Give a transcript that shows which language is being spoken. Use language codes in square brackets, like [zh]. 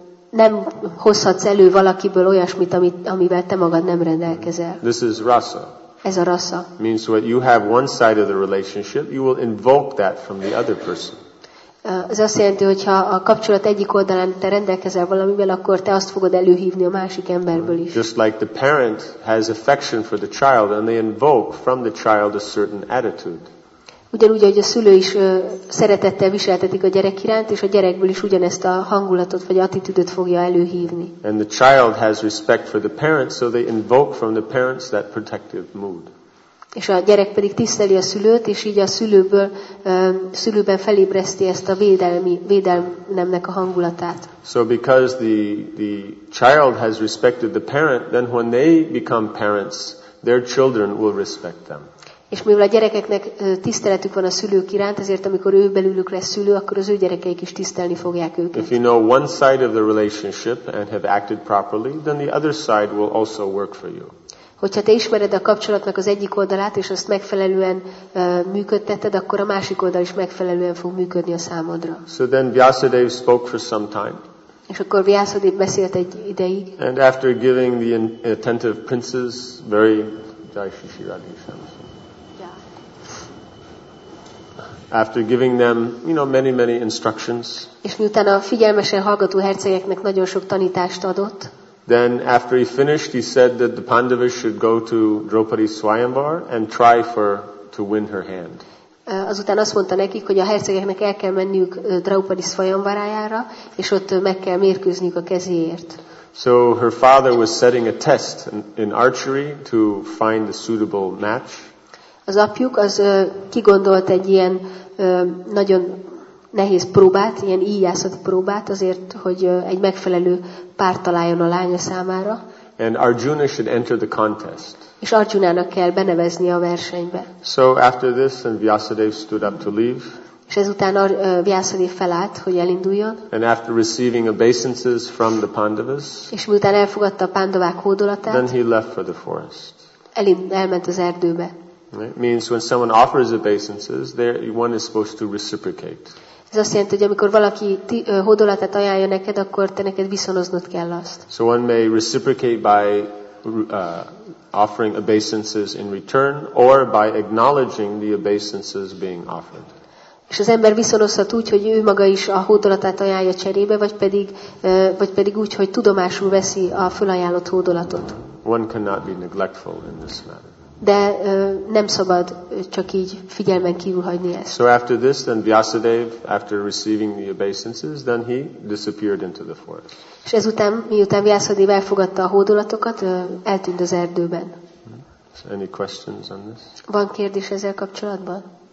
[hu] Nem hozhatsz elő valakiből olyasmit, amivel te magad nem rendelkezel. [en] This is rasa. [hu] Ez a rasa. [en] Means what you have one side of the relationship, you will invoke that from the other person. [hu] Ez azt jelenti, hogy ha a kapcsolat egyik oldalán te rendelkezel valamivel, akkor te azt fogod előhívni a másik emberből is. [en] Just like the parent has affection for the child, and they invoke from the child a certain attitude. [hu] Ugyanúgy, ahogy a szülő is szeretettel viseltetik a gyerek iránt, és a gyerekből is ugyanezt a hangulatot vagy attitűdöt fogja előhívni. [en] And the child has respect for the parents, so they invoke from the parents that protective mood. [hu] És a gyerek pedig tiszteli a szülőt, és így a szülőből, szülőben felébreszti ezt a védelmnek a hangulatát. [en] So because the child has respected the parent, then when they become parents, their children will respect them. [hu] És mivel a gyerekeknek tiszteletük van a szülők iránt, ezért amikor ő belülük lesz szülő, akkor az ő gyerekeik is tisztelni fogják őket. [en] If you know one side of the relationship and have acted properly, then the other side will also work for you. [hu] Hogyha te ismered a kapcsolatnak az egyik oldalát, és azt megfelelően működtetted, akkor a másik oldal is megfelelően fog működni a számodra. [en] So then Vyasadeva spoke for some time. [hu] És akkor Vyasadeva beszélt egy ideig. [en] And after giving the attentive princes very Jaishishiradisham. After giving them, you know, many, many instructions. [hu] És miután a figyelmesen hallgató hercegeknek nagyon sok tanítást adott. [en] Then after he finished, he said that the Pandavas should go to Draupadi Swayambar and try to win her hand. [hu] Azután azt mondta nekik, hogy a hercegeknek el kell menniük Draupadi Swayambarájára, és ott meg kell mérkőzniük a kezéért. [en] So her father was setting a test in archery to find a suitable match. [hu] Az apjuk az kigondolt egy ilyen nagyon nehéz próbát, ilyen íjászati próbát azért, hogy egy megfelelő párt találjon a lánya számára. [en] And Arjuna should enter the contest. [hu] És Arjunának kell benevezni a versenybe. [en] So after this, and Vyasadeva stood up to leave. [hu] És ezután Vyasadeva felállt, hogy elinduljon. [en] And after receiving obeisances from the Pandavas. [hu] És miután elfogadta a Pandavák hódolatát. [en] Then he left for the forest. [hu] Elment az erdőbe. [en] It means when someone offers obeisances, there one is supposed to reciprocate. [hu] Ez azt jelenti, hogy amikor valaki hódolatát ajánlja neked, akkor te neked viszonoznod kell azt. [en] So one may reciprocate by offering obeisances in return, or by acknowledging the obeisances being offered. [hu] És az ember viszonozhat úgy, hogy ő maga is a hódolatát ajánlja cserébe, vagy pedig úgy, hogy tudomásul veszi a fölajánlott hódolatot. [en] One cannot be neglectful in this matter. [hu] De nem szabad csak így figyelmen kívül hagyni ezt. [en] So after this, then Vyasadeva, after receiving the obeisances, then he disappeared into the forest. [hu] És ezután, miután Vyasadeva elfogadta a hódolatokat, eltűnt az erdőben. [en] So any questions on this? [hu] Van kérdés ezzel kapcsolatban?